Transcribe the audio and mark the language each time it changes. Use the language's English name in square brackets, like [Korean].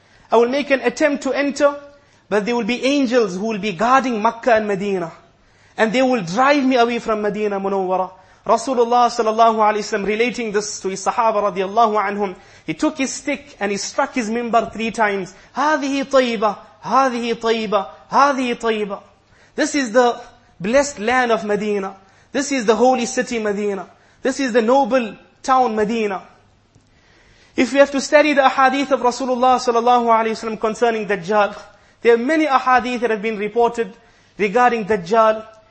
[English] I will make an attempt to enter, but there will be angels who will be guarding Mecca and Medina. And they will drive me away from Medina Munawwara. Rasulullah sallallahu alaihi wasallam, relating this to his sahaba radiallahu anhum, he took his stick and he struck his minbar 3 times. [Arabic] هذه طيبة, هذه طيبة, هذه طيبة. [English] This is the blessed land of Medina. This is the holy city Medina. This is the noble town Medina. If we have to study the ahadith of Rasulullah sallallahu alaihi wasallam concerning Dajjal, there are many ahadith that have been reported regarding Dajjal.